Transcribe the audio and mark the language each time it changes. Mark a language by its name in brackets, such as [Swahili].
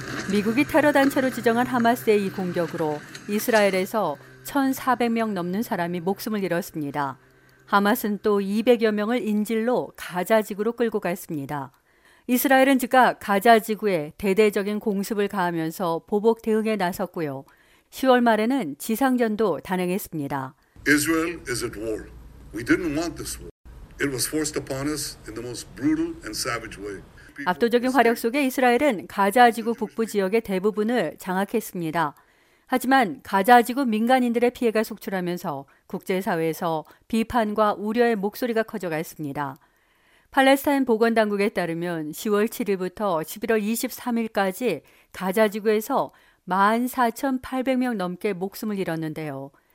[Korean] 미국이 테러단체로 지정한 하마스의 이 공격으로 이스라엘에서 1,400명 넘는 사람이 목숨을 잃었습니다. 하마스는 또 200여 명을 인질로 가자지구로 끌고 갔습니다. 이스라엘은 즉각 가자지구에 대대적인 공습을 가하면서 보복 대응에 나섰고요. 10월 말에는 지상전도 단행했습니다. [English] Israel is at war. We didn't want this war. It was forced upon us in the most brutal and savage way. [Korean] 압도적인 화력 속에 이스라엘은 가자지구 북부 지역의 대부분을 장악했습니다. 하지만 가자지구 민간인들의 피해가 속출하면서 국제사회에서 비판과 우려의 목소리가 커져갔습니다. 팔레스타인 보건당국에 따르면 10월 7일부터 11월 23일까지 가자지구에서 14,800명 넘게 목숨을 잃었는데요.